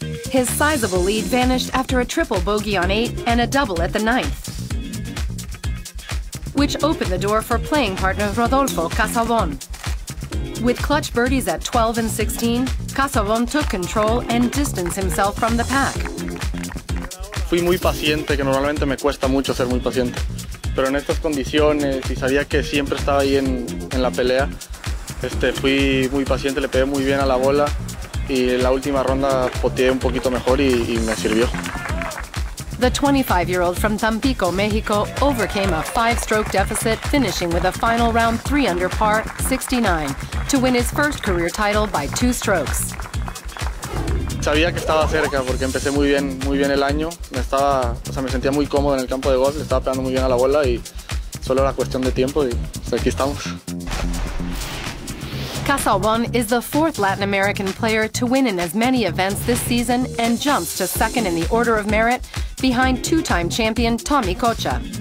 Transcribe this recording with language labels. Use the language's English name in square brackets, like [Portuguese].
[English] His sizable lead vanished after a triple bogey on eight and a double at the ninth, which opened the door for playing partner Rodolfo Casavon. With clutch birdies at 12 and 16, Casavon took control and distanced himself from the pack. [Spanish] Fui muy paciente, que normalmente me cuesta mucho ser muy paciente. Pero en estas condiciones, y sabía que siempre estaba ahí en la pelea, fui muy paciente, le pegué muy bien a la bola, y en la última ronda poteé un poquito mejor y me sirvió. [English] The 25-year-old from Tampico, Mexico, overcame a five-stroke deficit, finishing with a final round 3-under par, 69, to win his first career title by two strokes. [Spanish] Sabía que estaba cerca porque empecé muy bien el año. Me sentía muy cómodo en el campo de golf, le estaba pegando muy bien a la bola y solo era cuestión de tiempo y aquí estamos. [English] Casalbon is the fourth Latin American player to win in as many events this season and jumps to second in the order of merit behind two-time champion Tommy Cocha.